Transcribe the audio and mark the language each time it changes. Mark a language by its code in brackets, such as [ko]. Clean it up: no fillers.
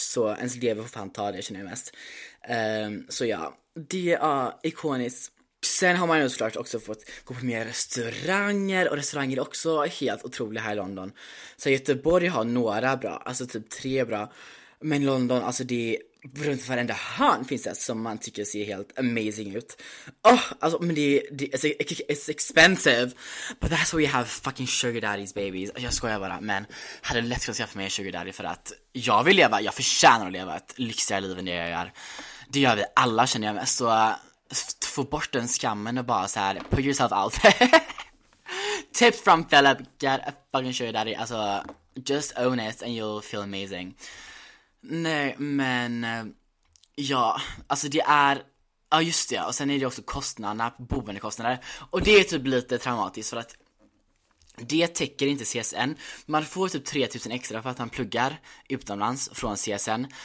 [sv] Så ens lever får fan ta det, känner jag mest. Så ja, det är ikoniskt. sen har man ju såklart också fått gå på mer restauranger. Och restauranger är också helt otroliga här i London. Så Göteborg har några bra, alltså typ 3 bra. Men London, alltså det är runt varenda hörn finns det som man tycker ser helt amazing ut. [en] Oh, alltså, men it's expensive. But that's why we have fucking sugar daddies, babies. [sv] Jag skojar bara, men hade lätt kunnat skaffa mig en sugar daddy för att jag vill leva, jag förtjänar att leva ett lyxigare liv än det jag gör. Det gör vi alla, känner jag mest. Så få bort den skammen och bara så här, put yourself out. [en] Tips from Philip, get a fucking sugar daddy. Alltså, just own it and you'll feel amazing. [sv] Nej, men ja, alltså det är, ja just det, och sen är det också kostnaderna, boendekostnader. Och det är typ lite traumatiskt för att det täcker inte CSN. Man får typ 3000 extra för att man pluggar utomlands från CSN.